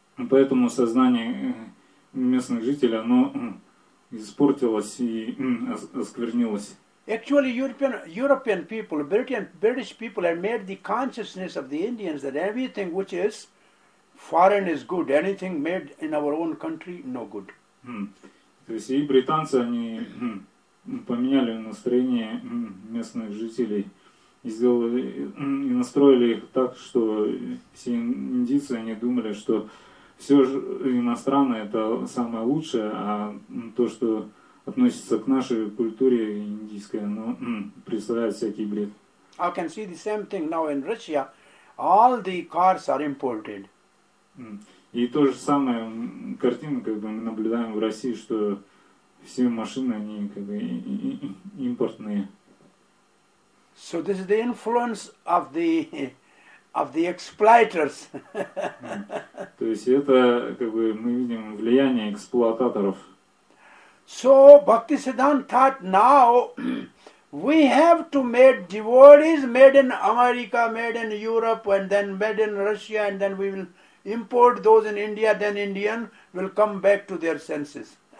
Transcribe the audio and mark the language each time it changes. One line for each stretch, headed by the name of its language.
Russian: Поэтому сознание местных жителей, оно испортилось и осквернилось.
English: Actually, European people, British people have made the consciousness of the Indians that everything which is foreign is good, anything made in our own country, no good.
Russian: То есть и британцы, они поменяли настроение местных жителей и сделали и настроили их так, что все индийцы они думали, что все иностранное это самое лучшее, а то, что относится к нашей культуре индийской, оно представляет всякий бред.
English: I can see the same thing now in Russia. All the cars are imported.
Russian: И то же самое картина, как бы мы наблюдаем в России, что все машины, они как бы импортные.
English: So this is the influence of the of the exploiters.
Russian: То есть это как бы мы видим влияние эксплуататоров.
English: So Bhaktisiddhanta thought now we have to make devotees made in America, made in Europe, and then made in Russia, and then we will import those in India, then Indian will come back to their senses.